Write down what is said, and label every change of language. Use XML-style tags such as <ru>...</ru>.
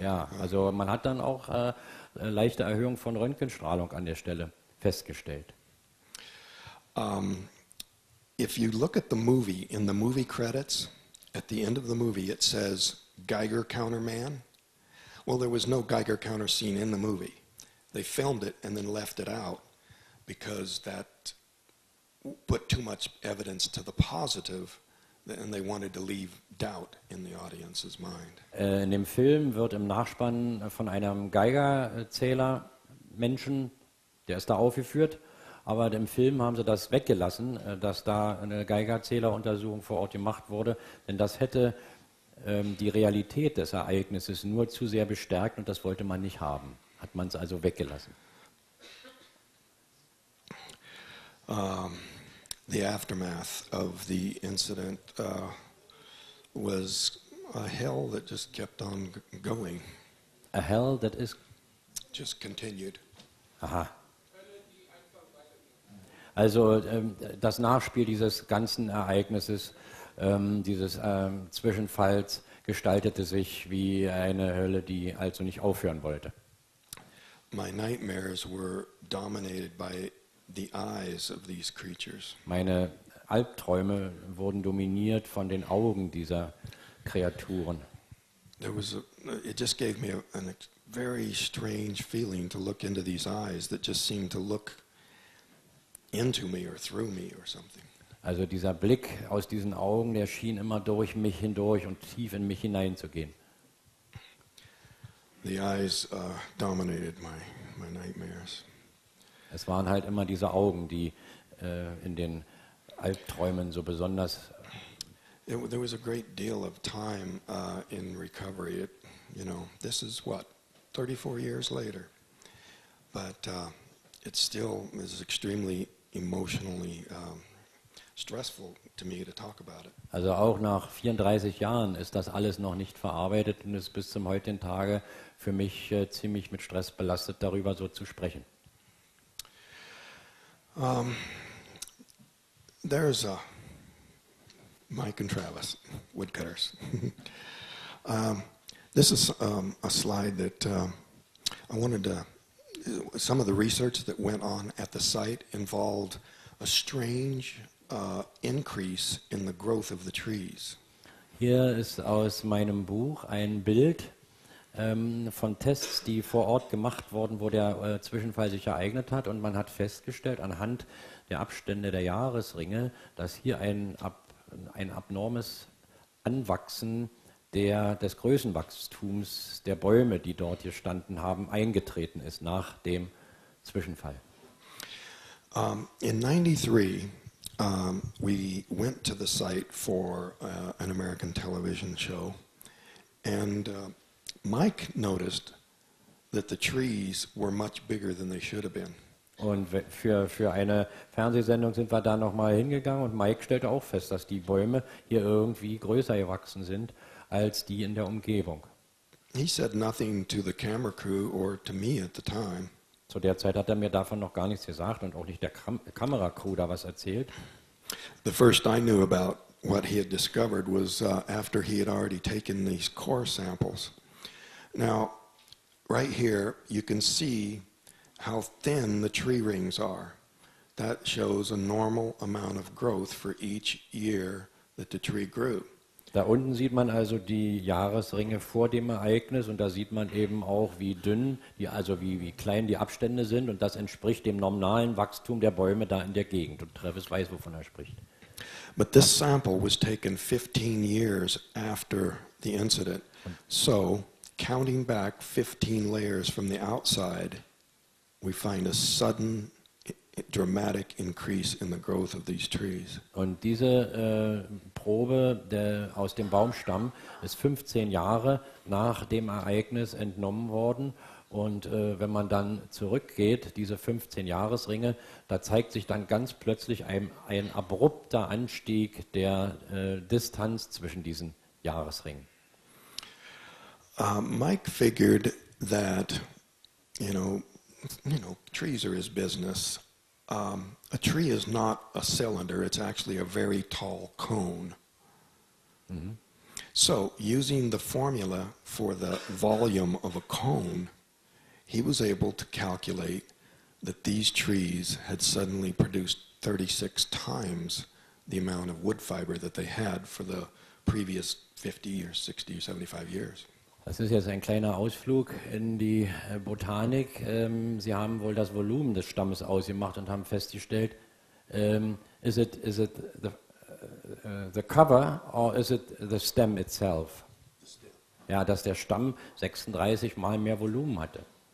<de>Ja, also man hat dann auch leichte Erhöhung von Röntgenstrahlung an der Stelle festgestellt.</de> <en>If you look at the movie, in the movie credits, at the end of the movie it says Geiger counter man. Well, there was no Geiger counter scene in the movie. They filmed it and then left it out, because that put too much evidence to the positive, and they wanted to leave doubt in the audience's mind.</en> <de>In dem Film wird im Nachspann von einem Geigerzähler Menschen, der ist da aufgeführt, aber im Film haben sie das weggelassen, dass da eine Geigerzähleruntersuchung vor Ort gemacht wurde, denn das hätte die Realität des Ereignisses nur zu sehr bestärkt und das wollte man nicht haben. Hat man es also weggelassen.</de> <en>The aftermath of the incident was a hell that just kept on going. A hell that is just continued. Aha.</en> <de>Also das Nachspiel dieses ganzen Ereignisses, dieses Zwischenfalls, gestaltete sich wie eine Hölle, die also nicht aufhören wollte.</de> <en>My nightmares were dominated by the eyes of these creatures.</en> <de>Meine Albträume wurden dominiert von den Augen dieser Kreaturen.</de> <en>There was it just gave me a very strange feeling to look into these eyes that just seemed to look into me or through me or something.</en> <de>Also dieser Blick aus diesen Augen, der schien immer durch mich hindurch und tief in mich hineinzugehen.</de> <en>The eyes dominated my nightmares.</en> <de>Es waren halt immer diese Augen, die in den Albträumen so besonders.</de> <en>There was a great deal of time in recovery. It, you know, this is what, 34 years later. But it still is extremely emotionally stressful to me to talk about it.</en> <de>Also auch nach 34 Jahren ist das alles noch nicht verarbeitet und ist bis zum heutigen Tage für mich ziemlich mit Stress belastet, darüber so zu sprechen.</de> <en>There's a Mike and Travis, woodcutters. this is a slide that I wanted to. Some of the research that went on at the site involved a strange increase in the growth of the trees.</en> <de>Hier ist aus meinem Buch ein Bild von Tests, die vor Ort gemacht wurden, wo der Zwischenfall sich ereignet hat, und man hat festgestellt anhand der Abstände der Jahresringe, dass hier ein abnormes Anwachsen des Größenwachstums der Bäume, die dort gestanden haben, eingetreten ist nach dem Zwischenfall.</de> <en>In 93 we went to the site for an American television show, and Mike noticed that the trees were much bigger than they should have been.</en> <de>Und für eine Fernsehsendung sind wir da noch mal hingegangen, und Mike stellte auch fest, dass die Bäume hier irgendwie größer gewachsen sind als die in der Umgebung.</de> <en>He said nothing to the camera crew or to me at the time.</en> <de>Zu der Zeit hat er mir davon noch gar nichts gesagt und auch nicht der Kameracrew da was erzählt.</de> <en>The first I knew about what he had discovered was after he had already taken these core samples. Now, right here, you can see how thin the tree rings are. That shows a normal amount of growth for each year that the tree grew.</en> <de>Da unten sieht man also die Jahresringe vor dem Ereignis und da sieht man eben auch, wie dünn, wie klein die Abstände sind und das entspricht dem normalen Wachstum der Bäume da in der Gegend. Und Travis weiß, wovon er spricht.</de> <en>But this sample was taken 15 years after the incident. So, counting back 15 layers from the outside, we find a sudden dramatic increase in the growth of these trees.</en> <de>Und diese Probe aus dem Baumstamm ist 15 Jahre nach dem Ereignis entnommen worden. Und wenn man dann zurückgeht, diese 15 Jahresringe, da zeigt sich dann ganz plötzlich ein abrupter Anstieg der Distanz zwischen diesen Jahresringen.</de> <en>Mike figured that, you know, trees are his business. A tree is not a cylinder, it's actually a very tall cone. Mm-hmm. So, using the formula for the volume of a cone, he was able to calculate that these trees had suddenly produced 36 times the amount of wood fiber that they had for the previous 50 or 60 or 75 years.</en> <de>Das ist jetzt ein kleiner Ausflug in die Botanik. Sie haben wohl das Volumen des Stammes ausgemacht und haben festgestellt,</de> <en>is it the cover or is it the stem itself?</en> <de>Ja, dass der Stamm 36 Mal mehr Volumen hatte.</de>